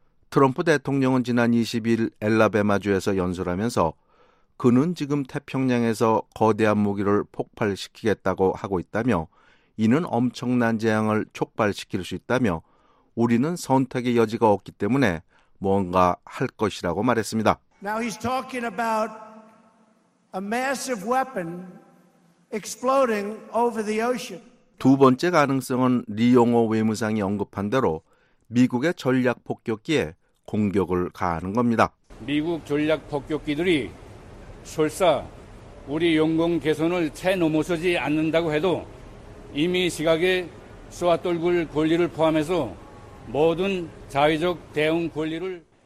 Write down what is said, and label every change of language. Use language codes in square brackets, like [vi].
[ko] 트럼프 대통령은 지난 20일 엘라베마주에서 연설하면서 그는 지금 태평양에서 거대한 무기를 폭발시키겠다고 하고 있다며 이는 엄청난 재앙을 촉발시킬 수 있다며 우리는 선택의 여지가 없기 때문에 뭔가 할 것이라고 말했습니다. [en] Now he's talking about a massive weapon exploding over the ocean. [ko] 두 번째 가능성은 리용호 외무상이 언급한 대로 미국의 전략 폭격기에 공격을 가하는 겁니다. 미국 전략 폭격기들이 설사 우리 영공 개선을 채 넘어서지 않는다고 해도 이미 시각에 쏘아 떨굴 권리를 포함해서 모든 자위적 대응 권리를